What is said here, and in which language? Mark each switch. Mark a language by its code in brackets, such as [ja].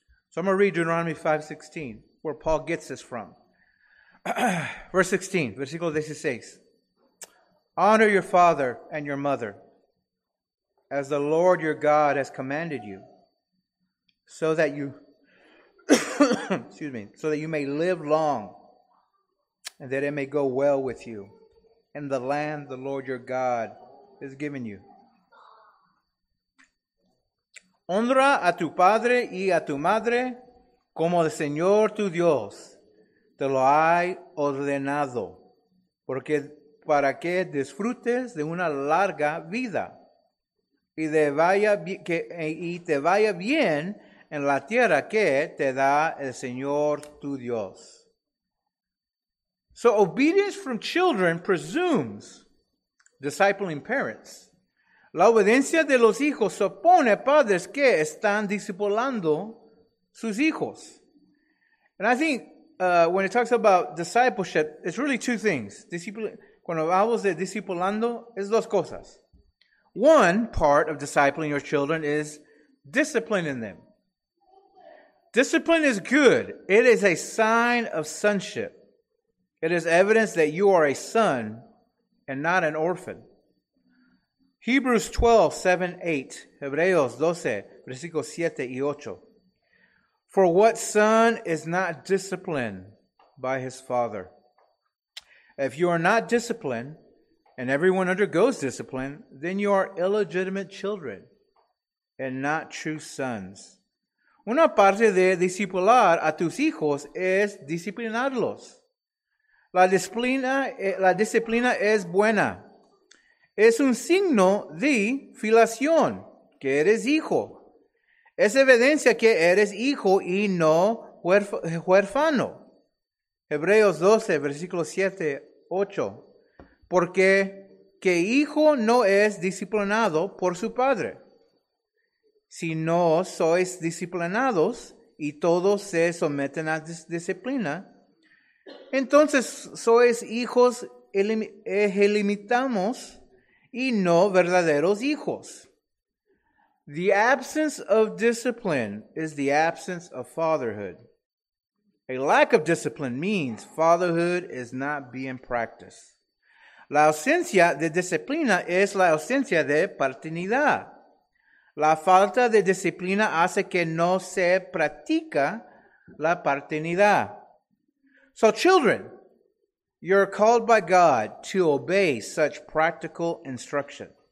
[en] So I'm going to read Deuteronomy 5:16, where Paul gets this from. Verse 16, [es] versículo 16. [en] "Honor your father and your mother, as the Lord your God has commanded you, so that you so that you may live long, and that it may go well with you in the land the Lord your God has given you." [es] Honra a tu padre y a tu madre como el Señor tu Dios te lo ha ordenado, porque para que disfrutes de una larga vida y te vaya bien en la tierra que te da el Señor tu Dios. [en] So obedience from children presumes discipling parents. [es] La obediencia de los hijos supone padres que están discipulando sus hijos. [en] And I think when it talks about discipleship, it's really two things. [es] Cuando hablamos de discipulando, es dos cosas. [en] One part of discipling your children is disciplining them. Discipline is good. It is a sign of sonship. It is evidence that you are a son and not an orphan. Hebrews 12, 7, 8. [es] Hebreos 12, versículos 7 y 8. [en] "For what son is not disciplined by his father? If you are not disciplined, and everyone undergoes discipline, then you are illegitimate children and not true sons." [es] Una parte de discipular a tus hijos es disciplinarlos. La disciplina es buena. Es un signo de filiación, que eres hijo. Es evidencia que eres hijo y no huérfano. Hebreos 12, versículos 7, 8. "Porque que hijo no es disciplinado por su padre, sino sois disciplinados y todos se someten a disciplina, entonces sois hijos ilimitados y no verdaderos hijos." [en] The absence of discipline is the absence of fatherhood. A lack of discipline means fatherhood is not being practiced. [es] La ausencia de disciplina es la ausencia de paternidad. La falta de disciplina hace que no se practica la paternidad. [en] So children, you're called by God to obey such practical instruction.